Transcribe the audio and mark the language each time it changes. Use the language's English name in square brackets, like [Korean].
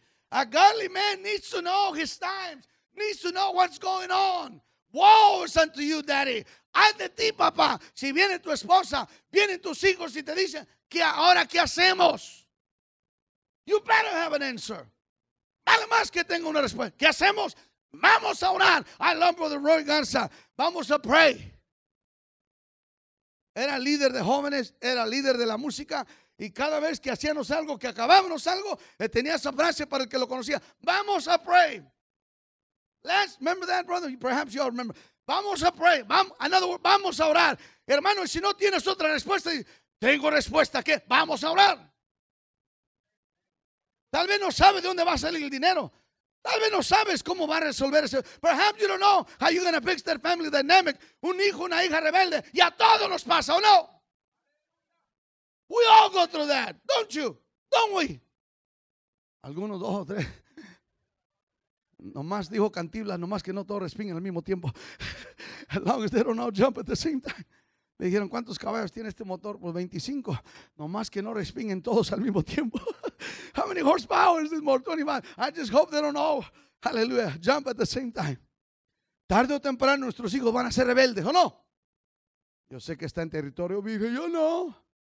[English] A godly man needs to know his times, needs to know what's going on. Woe is unto you, daddy. [Spanish] Ay de ti, papá, si viene tu esposa, vienen tus hijos y te dicen, ¿qué ahora qué hacemos? [English] You better have an answer. [Spanish] Vale más que tenga una respuesta. ¿Qué hacemos? Vamos a orar. [English] I love Brother Roy Garza. [Spanish] Vamos a pray. Era líder de jóvenes, era líder de la música, y cada vez que hacíamos algo, que acabábamos algo, tenía esa frase para el que lo conocía. Vamos a pray. [English] Let's remember that, brother. Perhaps you all remember. Vamos a pray. [Spanish] Vamos a orar. Hermano, si no tienes otra respuesta, tengo respuesta. ¿Qué? Vamos a orar. Tal vez no sabes de dónde va a salir el dinero. Tal vez no sabes cómo va a resolver eso. [English] Perhaps you don't know how you're going to fix that family dynamic. [Spanish] Un hijo, una hija rebelde. Y a todos nos pasa, ¿o no? [English] We all go through that, don't you? Don't we? [Spanish] Algunos, dos o tres. Nomás dijo Cantibla, nomás que no todos respingan al mismo tiempo. [English] As long as they don't all jump at the same time. [Spanish] Me dijeron, ¿cuántos caballos tiene este motor? Pues 25. Nomás que no respingen todos al mismo tiempo. [English] How many horsepower is this motor? 25. I just hope they don't all, hallelujah, jump at the same time. [Spanish] Tarde o temprano nuestros hijos van a ser rebeldes, ¿o no? Yo sé que está en territorio virgen, yo no.